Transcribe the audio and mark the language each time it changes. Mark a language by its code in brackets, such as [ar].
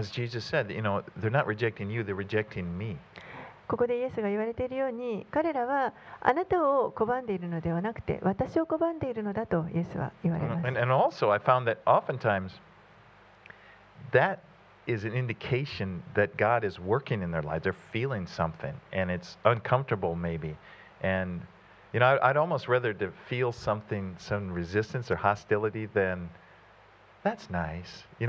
[en] As Jesus said, they're not rejecting you, they're rejecting me. [ja] ここでイエスが言われているように、彼らはあなたを拒んでいるのではなくて、私を拒んでいるのだとイエスは言われます。 [en] And also I found that oftentimes that is an indication that God is working in their lives. They're feeling something and it's uncomfortable maybe. AndI'd almost rather to feel something, some resistance or hostility than, that's nice.